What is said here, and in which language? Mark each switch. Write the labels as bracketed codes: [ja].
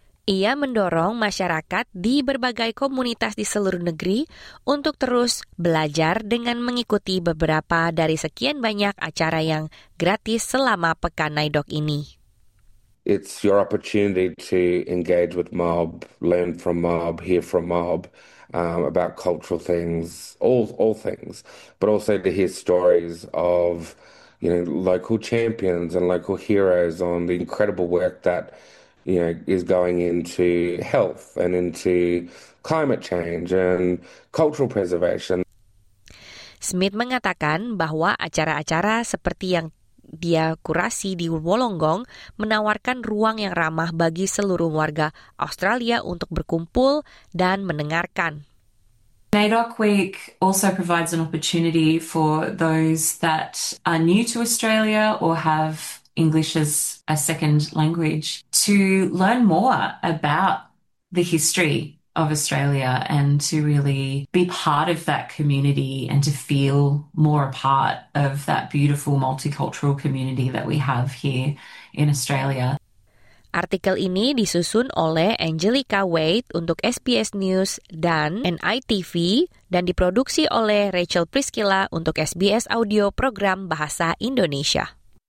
[id] Ia mendorong masyarakat di berbagai komunitas di seluruh negeri untuk terus belajar dengan mengikuti beberapa dari sekian banyak acara yang gratis selama Pekan NAIDOC ini. [en] It's your opportunity to engage with mob, learn from mob, hear from mob about cultural things, all things, but also to hear stories of, you know, local champions and local heroes on the incredible work that, you know, is going into health and into climate change and cultural preservation. [id] Smith mengatakan bahwa acara-acara seperti yang dia kurasi di Wollongong menawarkan ruang yang ramah bagi seluruh warga Australia untuk berkumpul dan mendengarkan. [en] NAIDOC Week also provides an opportunity for those that are new to Australia or have English as a second language to learn more about the history of Australia and to really be part of that community and to feel more a part of that beautiful multicultural community that we have here in Australia. [id] Artikel ini disusun oleh Angelica Wade untuk SBS News dan NITV dan diproduksi oleh Rachel Priscilla untuk SBS Audio Program Bahasa Indonesia.